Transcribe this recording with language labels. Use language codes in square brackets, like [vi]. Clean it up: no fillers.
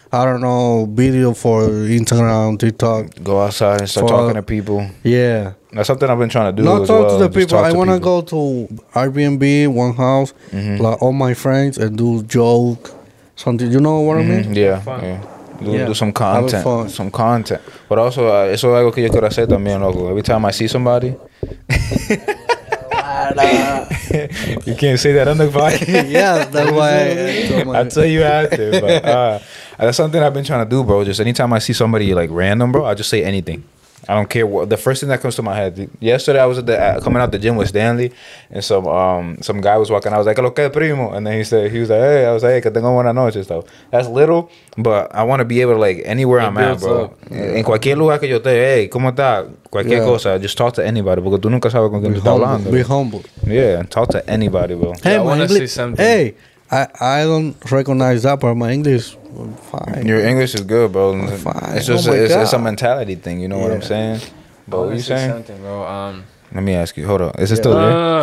[en] I don't know, video for Instagram, TikTok. Go outside and start talking to people. Yeah. That's something I've been trying to do. Not talk to the people. I want to go to Airbnb, one house, like all my friends, and do joke, something. You know what I mean? Yeah. Do some content. Some content. But also, [es] eso es algo que yo quiero hacer también, loco. [en] Every time I see somebody. [es] Nada. [en] You can't say that on the podcast. Yeah, that's why. I tell you after, but that's something I've been trying to do, bro. Just anytime I see somebody like random, bro, I just say anything. I don't care what the first thing that comes to my head. Yesterday I was at the coming out the gym with Stanley, and some guy was walking. I was like, [es] "Lo que primo," [en] and then he was like, "Hey," I was like, [es] "Que tengo buena noche," [en] stuff. That's little, but I want to be able to like anywhere it I'm at, bro. In [es] cualquier lugar que yo esté, hey, cómo está, cualquier cosa, [en] just talk to anybody. Because [es] tú nunca sabes con quién estás hablando. [en] Be humble. Yeah, talk to anybody, bro. Hey, yeah, my English. Hey, I don't recognize that, but my English. Fine. Your English is good, bro. Fine. It's just it's a mentality thing. You know what I'm saying? But what you saying? Something, bro. Let me ask you. Hold on. Is it still there?